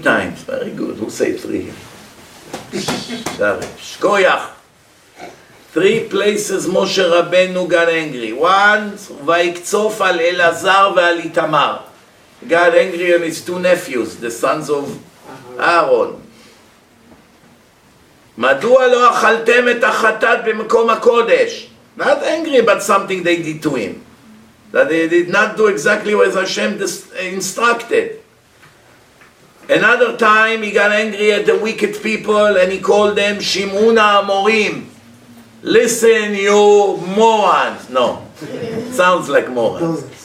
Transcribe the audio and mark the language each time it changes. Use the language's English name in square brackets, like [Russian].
[English] times. Very good. Who said three? Sorry. Shkoyach. Three places Moshe Rabbeinu got angry. One, [Hebrew] Vayikzof al Elazar ve'al Itamar. [English] Got angry on his two nephews, the sons of Aaron. [Hebrew] מדוע לא אכלתם את החטאת במקום הקודש? [English] Not angry about something they did to him. That they did not do exactly what Hashem instructed. Another time he got angry at the wicked people and he called them [Hebrew] Shimun HaAmorim. [English] Listen, you morons. No, sounds like morons.